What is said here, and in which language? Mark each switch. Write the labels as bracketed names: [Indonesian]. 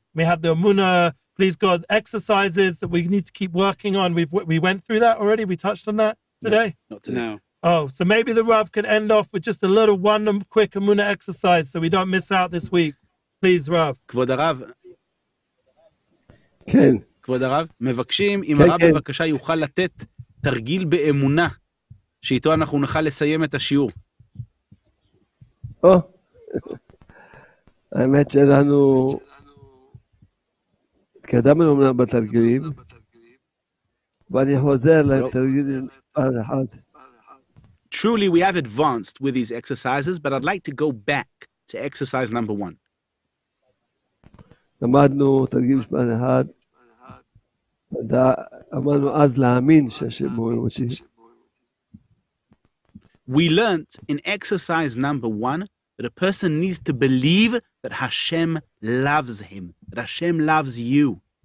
[English] We have the Munah, please God, exercises that we need to keep working on. We went through that already. We touched on that today. No, not today. Oh, so maybe the Rav could end off with just a little one quick Munah exercise so we don't miss out this week. Please, Rav. [Hebrew] Kvod Rav. Ken. כבוד הרב, מבקשים אם כן, הרב כן. בבקשה יוכל לתת תרגיל באמונה שאיתו אנחנו נוכל לסיים את השיעור. או, האמת שלנו התקדמנו אמונה בתרגילים, ואני חוזר לתרגיל מספר אחד. [English] Truly we have advanced with these exercises, but I'd like to go back to exercise number one. [Hebrew] למדנו תרגיל מספר אחד, [English] We learnt in exercise number one that a person needs to believe that Hashem loves him, that Hashem loves you.